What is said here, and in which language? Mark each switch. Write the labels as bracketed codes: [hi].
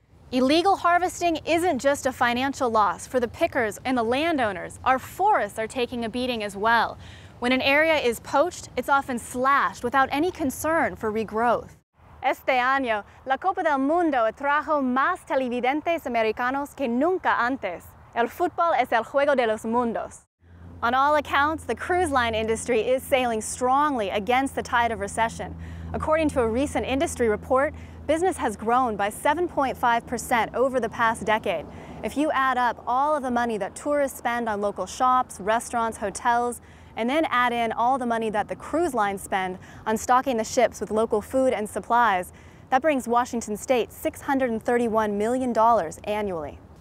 [en] Illegal harvesting isn't just a financial loss for the pickers and the landowners. Our forests are taking a beating as well. When an area is poached, it's often slashed without any concern for regrowth. [es] Este año, la Copa del Mundo trajo más televidentes americanos que nunca antes. El fútbol es el juego de los mundos. [en] On all accounts, the cruise line industry is sailing strongly against the tide of recession. According to a recent industry report, business has grown by 7.5% over the past decade. If you add up all of the money that tourists spend on local shops, restaurants, hotels, and then add in all the money that the cruise lines spend on stocking the ships with local food and supplies, that brings Washington State $631 million annually.